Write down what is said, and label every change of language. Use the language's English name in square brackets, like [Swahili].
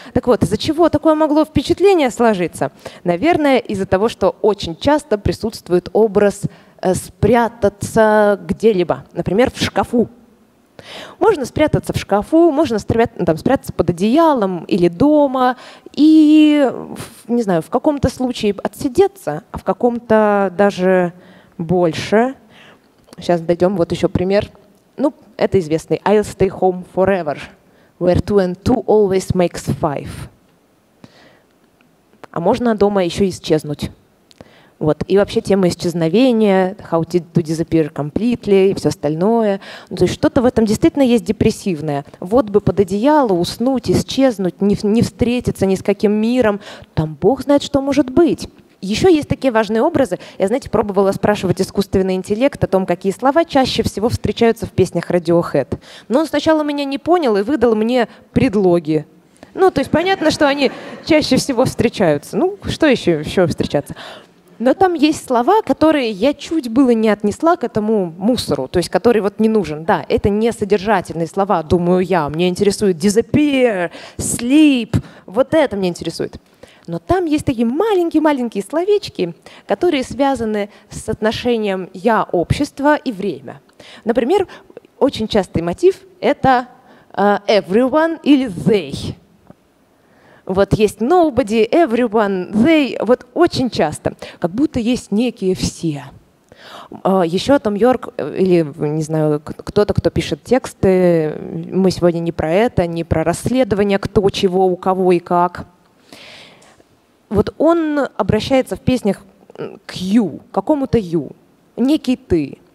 [Russian] Так вот, из-за чего такое могло впечатление сложиться? Наверное, из-за того, что очень часто присутствует образ спрятаться где-либо. Например, в шкафу. Можно спрятаться в шкафу, можно спрятаться под одеялом или дома и, не знаю, в каком-то случае отсидеться, а в каком-то даже больше. Сейчас дойдем, вот еще пример. Ну, это известный [English] «I'll stay home forever». Where two and two always makes five. [Russian] А можно дома еще исчезнуть. Вот. И вообще тема исчезновения, [English] how to disappear completely [Russian] и все остальное. Ну, то есть что-то в этом действительно есть депрессивное. Вот бы под одеяло уснуть, исчезнуть, не встретиться ни с каким миром. Там Бог знает, что может быть. Еще есть такие важные образы. Я, знаете, пробовала спрашивать искусственный интеллект о том, какие слова чаще всего встречаются в песнях Radiohead. Но он сначала меня не понял и выдал мне предлоги. Ну, то есть понятно, что они чаще всего встречаются. Ну, что еще встречаться? Но там есть слова, которые я чуть было не отнесла к этому мусору, то есть который вот не нужен. Да, это не содержательные слова, думаю я. Мне интересует [English] disappear, sleep. [Russian] Вот это мне интересует. Но там есть такие маленькие-маленькие словечки, которые связаны с отношением «я-общество» и «время». Например, очень частый мотив — это everyone или they. Вот есть [English] nobody, everyone, they. [Russian] Вот очень часто. Как будто есть некие все. Еще Том Йорк или, не знаю, кто-то, кто пишет тексты. Мы сегодня не про это, не про расследование, кто чего, у кого и как. Вот он обращается в песнях к you, к какому-то you. Некий ты.